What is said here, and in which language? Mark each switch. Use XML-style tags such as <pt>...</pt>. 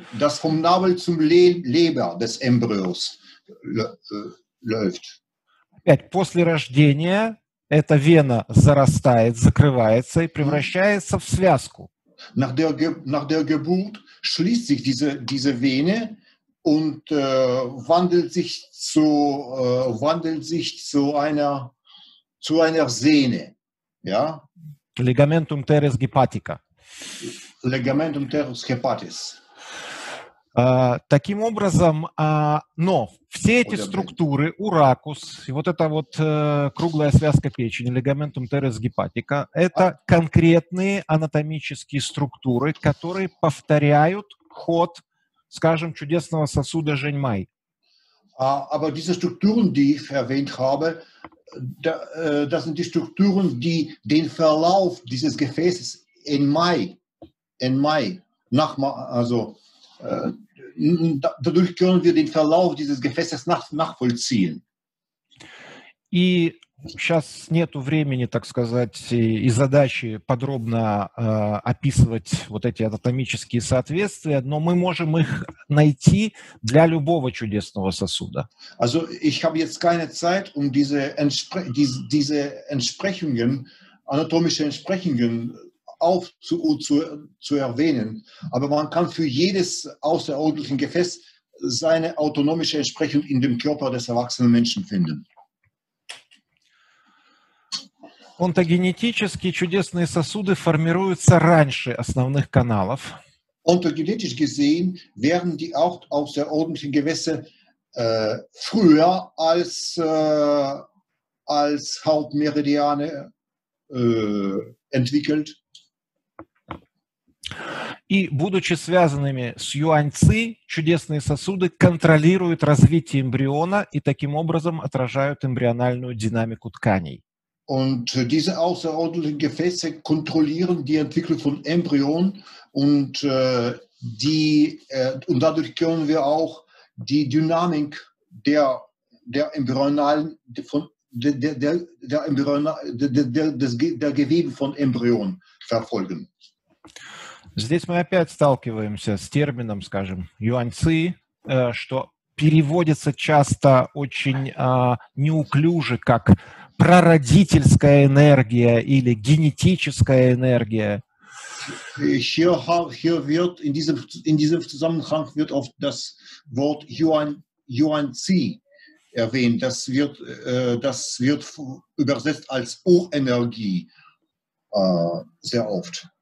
<de>Das vom Nabel zum Leber des Embryos läuft.</de> <ru>Опять, после рождения эта вена зарастает, закрывается и превращается в связку.</ru> <de>Nach der Geburt schließt sich diese Vene und wandelt sich zu einer Sehne. Ja?</de> <la>Ligamentum teres gepatica. Ligamentum teres gepatis.</la> <ru>Таким образом, но все эти структуры, уракус, и вот эта вот круглая связка печени, лигаментум терес гепатика, это конкретные анатомические структуры, которые повторяют ход, скажем, чудесного сосуда Женьмай.</ru> <de>Aber diese Strukturen, die ich erwähnt habe, das sind die Strukturen, die den Verlauf dieses Gefäßes in Mai, dadurch können wir den Verlauf dieses Gefäßes nachvollziehen.</de> <ru>И сейчас нету времени, так сказать, и задачи подробно описывать вот эти анатомические соответствия, но мы можем их найти для любого чудесного сосуда.</ru> <de>Also, ich habe jetzt keine Zeit, um diese Entsprechungen, anatomische Entsprechungen zu erwähnen, aber man kann für jedes außerordentliche Gefäß seine autonomische Entsprechung in dem Körper des erwachsenen Menschen finden.</de> <ru>Онтогенетически чудесные сосуды формируются раньше основных каналов. Онтогенетически</ru> <de>gesehen werden die auch außerordentlichen Gefäße früher als Hauptmeridiane entwickelt.</de> <ru>и, будучи связанными с юаньци, чудесные сосуды контролируют развитие эмбриона и таким образом отражают эмбриональную динамику тканей.</ru> <de>Und diese außerordentlichen Gefäße kontrollieren die Entwicklung von Embryonen und die und dadurch können wir auch die Dynamik der Gewebe von Embryonen verfolgen.</de> <ru>Здесь мы опять сталкиваемся с термином, скажем, юаньци, что переводится часто очень неуклюже, как прародительская энергия или генетическая энергия.</ru> <de>Hier wird in diesem Zusammenhang wird oft das Wort Yuanzi erwähnt. Das wird übersetzt als Urenergie sehr oft.</de>